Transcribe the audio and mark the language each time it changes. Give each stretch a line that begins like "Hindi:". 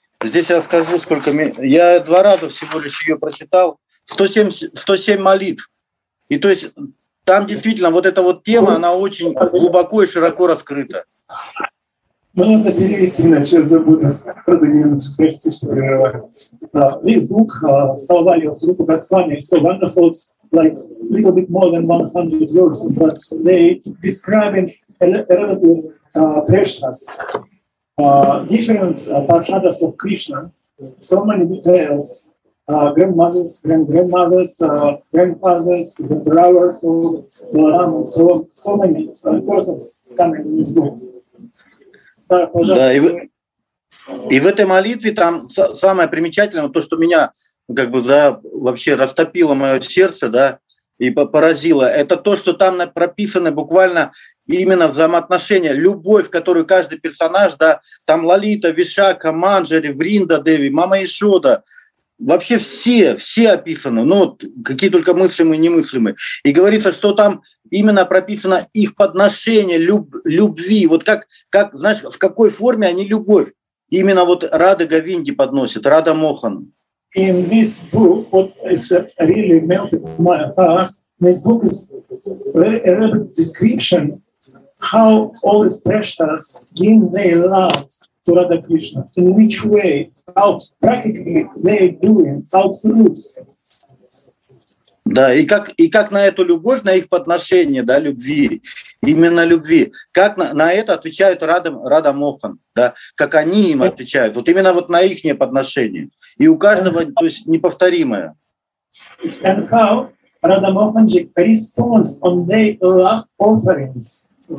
Russian: Здесь я скажу, сколько... Я два раза всего лишь ее прочитал. 107 молитв. И то есть там действительно вот эта вот тема, она очень глубоко и широко раскрыта. Надо перевести, иначе я забуду. Прости, что прерываю.
English: This book, Stavavali of Rupa Goswami, is so wonderful, it's like a little bit more than 100 verses, but they describe Preshtas, different parshadas of Krishna, so many details, grandmothers, grandmothers, grandfathers, the brothers of Balaram, so many persons coming in this book.
Russian: Да, и в этой молитве там самое примечательное, то, что меня как бы вообще растопило мое сердце, да, и поразило, это то, что там прописано буквально именно взаимоотношения, любовь, которую каждый персонаж, да, там Лолита, Вишака, Манджари, Вринда Деви, мама Ишода, вообще все описаны, ну, какие только мыслимые, немыслимые. И говорится, что там именно прописано их подношение любви. Вот как знаешь, в какой форме они любовь именно вот Радха Говинде подносят, Радха Мохан.
English: In this book, what is really melted my heart, this book is very elaborate description how all these preshtas give their love to Radha Krishna, in which way, how practically they doing, how salutes.
Russian: Да, и как на эту любовь, на их подношение, да, любви, именно любви, как на это отвечают Радха Мохан, да, как они им отвечают, вот именно вот на их подношение. И у каждого, то есть, неповторимое.
English: And how Radha Mohanji responds on their love offerings.